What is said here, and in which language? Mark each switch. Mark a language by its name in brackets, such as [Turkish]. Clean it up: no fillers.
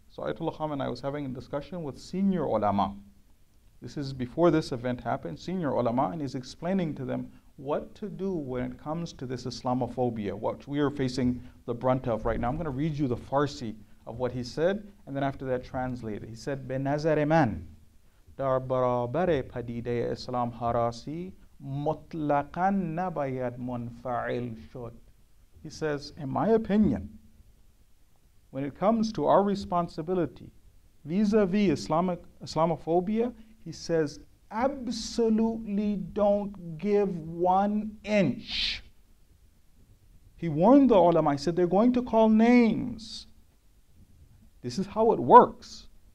[English] So Ayatollah Khamenei and I was having a discussion with senior ulama. This is before this event happened, senior ulama, and he's explaining to them what to do when it comes to this Islamophobia, what we are facing the brunt of right now. I'm going to read you the Farsi of what he said, and then after that translate it. He said, [Persian] بِنَزَرِ مَنْ دَرْ بَرَابَرِ پَدِيدَي إِسْلَامْ هَرَاسِي مُطْلَقًا نَبَيَدْ مُنْفَعِلْ شُدْ. [English] He says, in my opinion, when it comes to our responsibility vis-a-vis Islamophobia, he says, absolutely don't give one inch. He warned the ulama, he said, they're going to call names. This is how it works.